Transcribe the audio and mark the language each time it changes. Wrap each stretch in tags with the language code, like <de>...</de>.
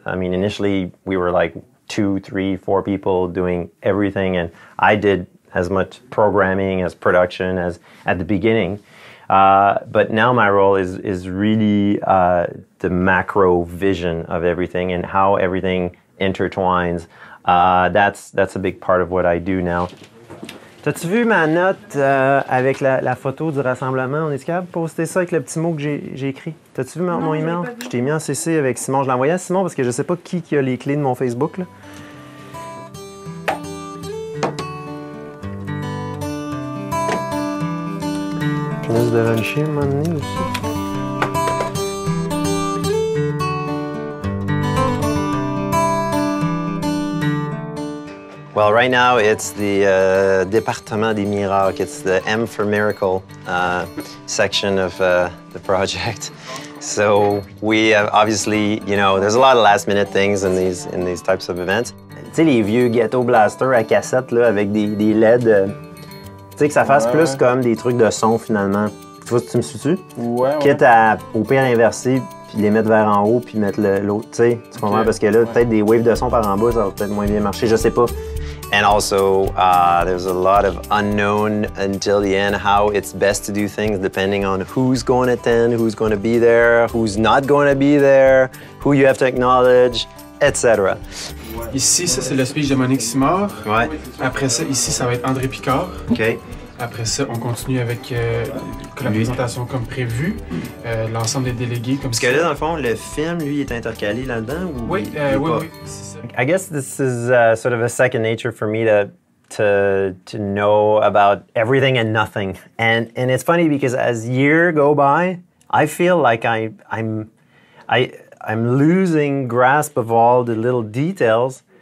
<en>I mean, initially we were like 2, 3, 4 people doing everything, and I did as much programming as production as at the beginning. But now my role is really the macro vision of everything and how everything intertwines. That's a big part of what I do now.</en> <fr>T'as-tu vu ma note avec la photo du rassemblement? On est capable de poster ça avec le petit mot que j'ai écrit? T'as-tu vu mon email? Je t'ai mis en CC avec Simon. Je l'ai envoyé à Simon parce que je sais pas qui a les clés de mon Facebook. Là. Je laisse de rancher un moment donné aussi.</fr> <en>Well, right now it's the Département des Miracles. It's the M for Miracle section of the project. So we have obviously, there's a lot of last minute things in these types of events.</en> <fr>Tu sais, les vieux ghetto blasters à cassette là, avec des LED, tu sais, que ça fasse plus comme des trucs de son finalement. Tu vois, tu me suis-tu? Ouais. Quitte à, au pire, inverser, puis les mettre vers en haut, puis mettre l'autre, tu sais, tu comprends? Okay. Parce que là, peut-être des waves de son par en bas, ça va peut-être moins bien marcher, je sais pas.</fr> <en>And also, there's a lot of unknown until the end, how it's best to do things, depending on who's going to attend, who's going to be there, who's not going to be there, who you have to acknowledge, etc.</en> <fr>Ici, ça, c'est le speech de Monique Simard. Ouais. Après ça, ici, ça va être André Picard. Okay. Après ça, on continue avec la présentation comme prévu, l'ensemble des délégués comme ça. Parce que là, dans le fond, le film, lui, est intercalé là-dedans ou oui, c'est ça.</fr> <en>I guess this is sort of a second nature for me to know about everything and nothing. And it's funny because as years go by, I feel like I'm losing grasp of all the little details.</en>